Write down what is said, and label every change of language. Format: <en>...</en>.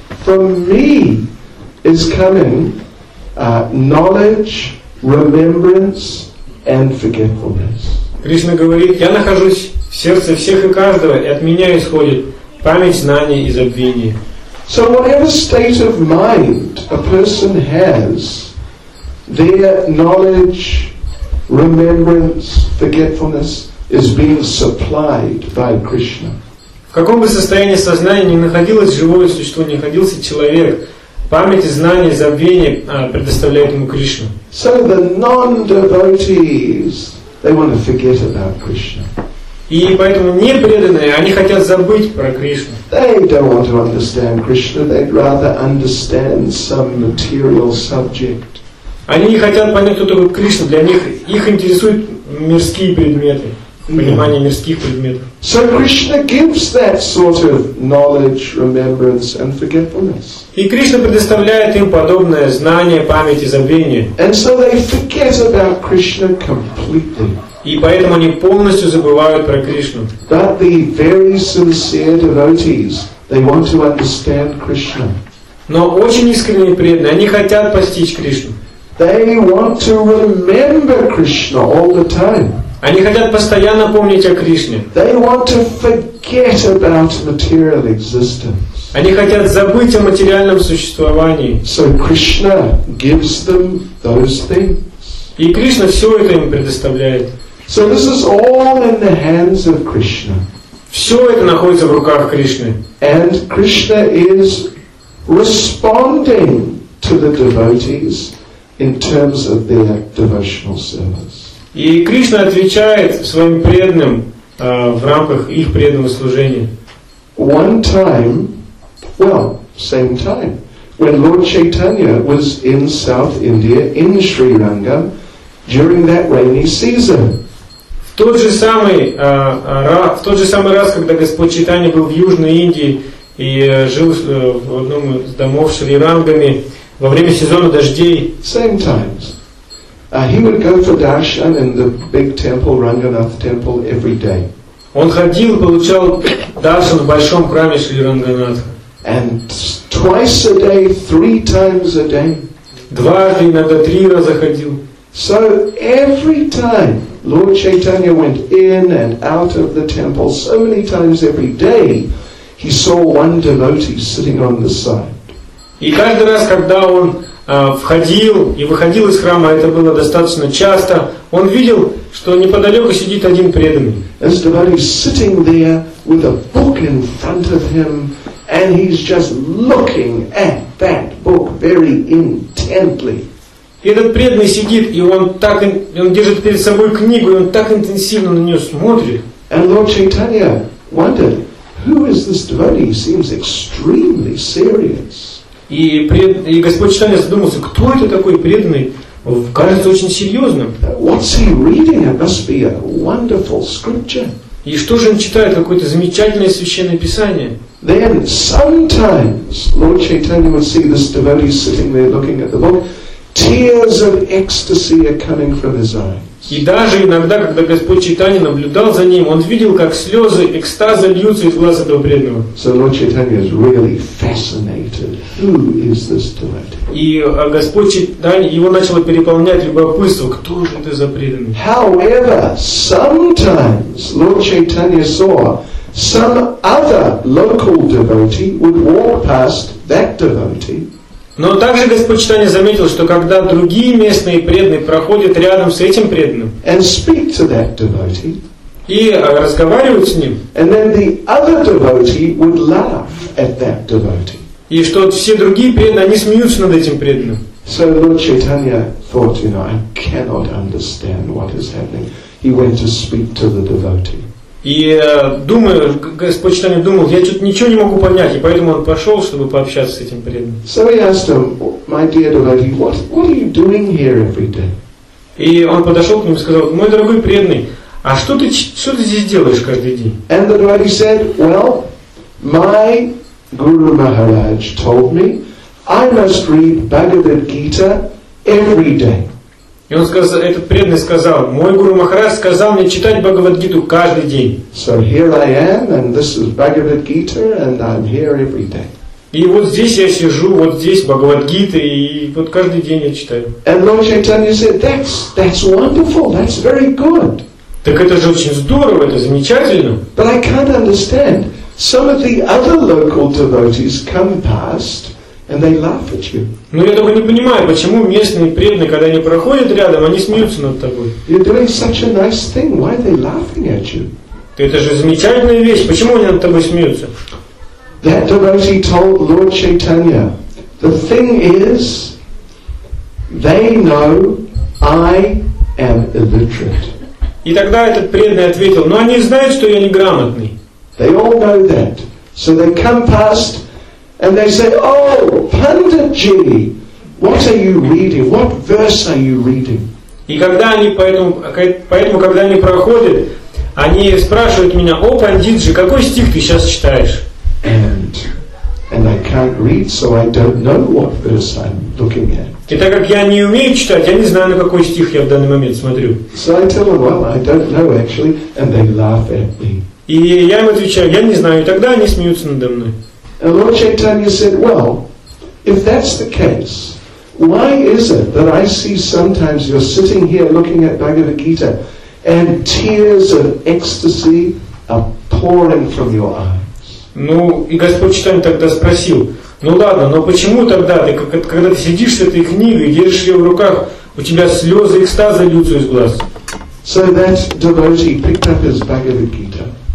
<en>From me is coming knowledge, remembrance and forgetfulness.</en> <ru>Кришна говорит, я нахожусь в сердце всех и каждого, и от меня исходит память, знание и забвение.</ru> <en>So whatever state of mind a person has, their knowledge, remembrance, forgetfulness is being supplied by Krishna.</en> <ru>В каком бы состоянии сознания ни находилось живое существо, ни находился человек, память, знание, забвение предоставляет ему Кришна.</ru> <en>So the non-devotees, they want to forget about Krishna.</en> <ru>И поэтому непреданные, они хотят забыть про Кришну.</ru> <en>They don't want to understand Krishna. They'd rather understand some material subject.</en> <ru>Они не хотят понять, кто такой Кришна. Для них их интересуют мирские предметы, понимание мирских предметов.</ru> <en>So Krishna gives that sort of knowledge, remembrance, and forgetfulness.</en> <ru>И Кришна предоставляет им подобное знание, память и забвение.</ru> <en>And so they forget about Krishna completely.</en> <ru>И поэтому они полностью забывают про Кришну.</ru> <en>But the very sincere devotees, they want to understand Krishna.</en> <ru>Но очень искренние преданные, они хотят постичь Кришну.</ru> <en>They want to remember Krishna all the time.</en> <ru>Они хотят постоянно помнить о Кришне.</ru> <en>They want to forget about material existence.</en> <ru>Они хотят забыть о материальном существовании.</ru> <en>So Krishna gives them those things.</en> <ru>И Кришна все это им предоставляет.</ru> <en>So this is all in the hands of Krishna.</en> <ru>Все это находится в руках Кришны.</ru> <en>And Krishna is responding to the devotees in terms of their devotional service.</en> <ru>И Кришна отвечает своим преданным в рамках их преданного служения.</ru> <en>One time, well, same time, when Lord Chaitanya was in South India in Sri Ranga during that rainy season.</en> <ru>В тот же самый раз, когда Господь Чайтанья был в Южной Индии и жил в одном из домов Шри Рангами во время сезона дождей.</ru> <en>Same times. He would go for darshan in the big temple, Ranganath temple, every day.</en> <ru>Он ходил и получал даршан в большом храме Шри Ранганатха.</ru> <en>And twice a day, three times a day.</en> <ru>Дважды, иногда три раза ходил.</ru> <en>So every time Lord Chaitanya went in and out of the temple, so many times every day, he saw one devotee sitting on the side.</en> <ru>И каждый раз, когда он входил и выходил из храма, это было достаточно часто, он видел, что неподалеку сидит один преданный.</ru> <en>This devotee is sitting there with a book in front of him, and he's just looking at that book very intently.</en> <ru>Этот преданный сидит, и он держит перед собой книгу, и он так интенсивно на нее смотрит.</ru> <en>And Lord Chaitanya wondered, who is this devotee? He seems extremely serious.</en> <ru>И Господь Чайтанья задумался, кто это такой преданный? Кажется очень серьезным.</ru> <en>What's he reading? It must be a wonderful scripture.</en> <ru>И что же он читает? Какое-то замечательное священное писание.</ru> <en>Then sometimes Lord Chaitanya would see this devotee sitting there looking at the book. Tears of ecstasy are coming from his eyes.</en> <ru>И даже иногда, когда Господь Чайтанья наблюдал за ним, он видел, как слезы экстаза льются из глаз этого преданного.</ru> <en>So Lord Chaitanya is really fascinated. Who is this devotee?</en> <ru>И Господь Чайтанья, его начало переполнять любопытство. Кто же это за преданный?</ru> <en>However, sometimes Lord Chaitanya saw some other local devotee would walk past that devotee.</en> <ru>Но также Господь Чайтанья заметил, что когда другие местные преданные проходят рядом с этим преданным</ru> <en>and speak to that devotee,</en> <ru>и разговаривают с ним,</ru> <en>and then the other devotee would laugh at that devotee.</en> <ru>И что все другие преданные, они смеются над этим преданным.</ru> <en>So Lord Chaitanya thought, you know, I cannot understand what is happening. He went to speak to the devotee.</en> <ru>И думаю, Господь Чайтанья думал, я что-то ничего не могу понять, и поэтому он пошел, чтобы пообщаться с этим преданным.</ru> <en>So he asked him, my dear devotee, what are you doing here every day?</en> <ru>И он подошел к нему и сказал, мой дорогой преданный, а что ты здесь делаешь каждый день?</ru> <en>And the devotee said, well, my Guru Maharaj told me, I must read Bhagavad Gita every day.</en> <ru>И он сказал, этот преданный сказал, мой Гуру Махарадж сказал мне читать Бхагавад-гиту каждый день.</ru> <en>So here I am, and this is Bhagavad-gita, and I'm here every day.</en> <ru>И вот здесь я сижу, вот здесь Бхагавад-гита, и вот каждый день я читаю.</ru> <en>And Lord Chaitanya said, that's wonderful, that's very good.</en> <ru>Так это же очень здорово, это замечательно.</ru> <en>But I can't understand. Some of the other local devotees come past, and they laugh at you.</en> <ru>Но я только не понимаю, почему местные преданные, когда они проходят рядом, они смеются над тобой.</ru> <en>You're doing such a nice thing. Why are they laughing at you?</en> <ru>Это же замечательная вещь. Почему они над тобой смеются?</ru> <en>That devotee told Lord Chaitanya, the thing is, they know I am illiterate.</en> <ru>И тогда этот преданный ответил, но они знают, что я неграмотный.</ru> <en>They all know that. So they come past. And they say, "Oh, Panditji, what are you reading? What verse are you reading?"</en> <ru>И когда они поэтому когда они проходят, они спрашивают меня, "О, Пандитджи, какой стих ты сейчас читаешь?"</ru> <en>And I can't read, so I don't know what verse I'm looking at.</en> <ru>И так как я не умею читать, я не знаю, на какой стих я в данный момент смотрю.</ru> <en>So I tell them, "Well, I don't know actually," and they laugh at me.</en> <ru>И я им отвечаю, "Я не знаю," и тогда они смеются надо мной.</ru> <en>And Lord Chaitanya said, well, if that's the case, why is it that I see sometimes you're sitting here looking at Bhagavad Gita and tears of ecstasy are pouring from your eyes?</en> <ru>Ну, и Господь Чайтанья тогда спросил, ну ладно, но почему тогда, ты, когда ты сидишь с этой книгой, держишь ее в руках, у тебя слезы экстаза льются из глаз?</ru> <en>So that devotee picked up his Bhagavad Gita.</en>